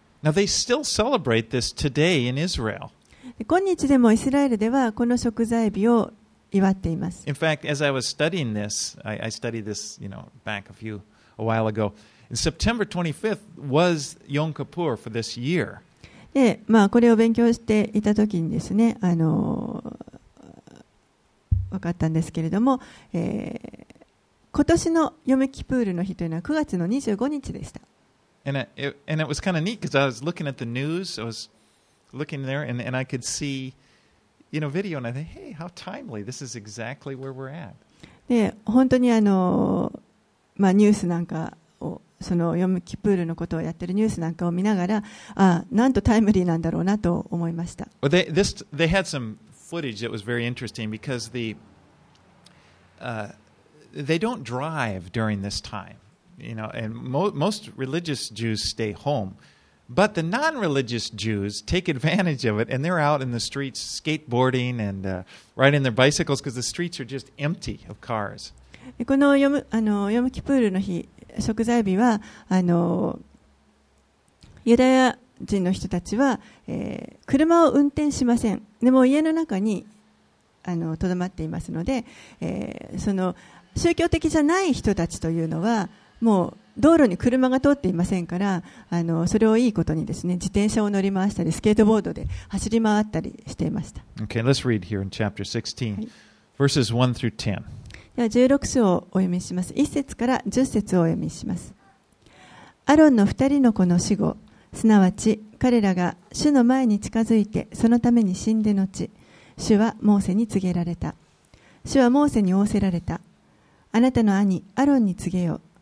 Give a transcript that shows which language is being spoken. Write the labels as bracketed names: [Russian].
[English] Now they still celebrate this today in Israel. [Japanese] 今日でもイスラエルではこの食材日を祝っています。 [English] In fact, as I was studying this, I studied this, back a while ago. And September 25th was Yom Kippur for this year. [Japanese] で、これを勉強していた時にですね、分かったんですけれども、今年のヨムキプールの日というのは9月の25日でした。 [English] And it was kind of neat because I was looking at the news. I was looking there and I could see, video. And I think, hey, how timely. This is exactly where we're at. [Japanese] で、本当にニュースなんかを、そのヨムキプールのことをやってるニュースなんかを見ながら、あ、なんとタイムリーなんだろうなと思いました。 [English] Well, they had some footage that was very interesting because they don't drive during this time. And most religious Jews stay home, but the non-religious Jews take advantage of it, and they're out in the streets skateboarding and riding their bicycles because the streets are just empty of cars. [Japanese] このヨムキプールの日、食材日はユダヤ人の人たちは、車を運転しません。でも家の中に留まっていますので、その宗教的じゃない人たちというのはもう道路に車が通っていませんから、それをいいことにですね、自転車を乗り回したりスケートボードで走り回ったりしていました。 [English] Okay, let's read here in chapter 16, verses 1 through 10. [Japanese] では16章をお読みします。1節から10節をお読みします。アロンの2人の子の死後、すなわち彼らが主の前に近づいてそのために死んで後、主はモーセに告げられた。主はモーセに仰せられた。あなたの兄アロンに告げよ。